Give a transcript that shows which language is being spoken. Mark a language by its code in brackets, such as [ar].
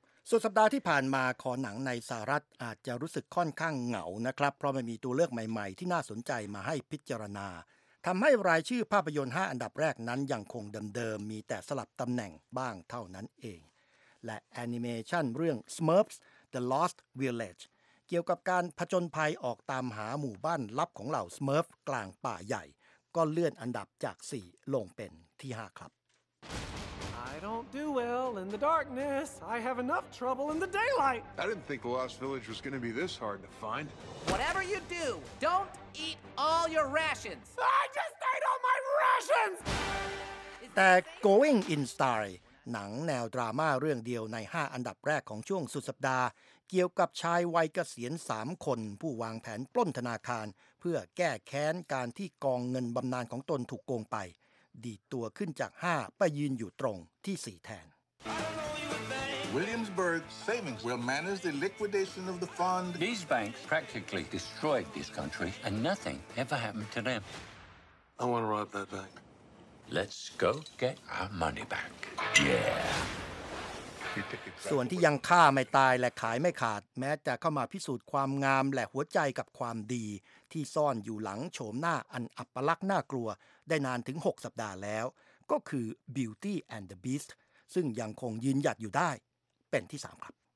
[th] สุดสัปดาห์ที่ผ่านมาขอหนังในสหรัฐอาจจะรู้สึกค่อนข้างเหงานะครับเพราะไม่มีตัวเลือกใหม่ๆที่น่าสนใจมาให้พิจารณาทำให้รายชื่อภาพยนตร์5อันดับแรกนั้นยังคงเดิมๆมีแต่สลับตำแหน่งบ้างเท่านั้นเองและแอนิเมชันเรื่อง Smurfs The Lost Village เกี่ยวกับการผจญภัยออกตามหาหมู่บ้านลับของเหล่า Smurf กลางป่าใหญ่ก็เลื่อนอันดับจาก4ลงเป็นที่5ครับ [en] I don't do well in the darkness. I have enough trouble in the daylight. I didn't think the Lost Village was going to be this hard to find. Whatever you do, don't eat all your rations. I just ate all my rations! [th] แต่ Going in Style หนังแนวดราม่าเรื่องเดียวใน5อันดับแรกของช่วงสุดสัปดาห์เกี่ยวกับชายวัยเกษียณ3คนผู้วางแผนปล้นธนาคารเพื่อแก้แค้นการที่กองเงินบำนาญของตนถูกโกงไปดีตัวขึ้นจาก5ไปยืนอยู่ตรงที่4แทน [en] Williamsburg Savings will manage the liquidation of the fund. These banks practically destroyed this country, and nothing ever happened to them. I want to rob that bank. Let's go get our money back. Yeah. [th] ส่วนที่ยังฆ่าไม่ตายและขายไม่ขาดแม้จะเข้ามาพิสูจน์ความงามและหัวใจกับความดีที่ซ่อนอยู่หลังโฉมหน้าอันอัปลักษณ์น่ากลัวได้นานถึง6สัปดาห์แล้วก็คือ Beauty and the Beast ซึ่งยังคงยืนหยัดอยู่ได้เป็นที่3ครับ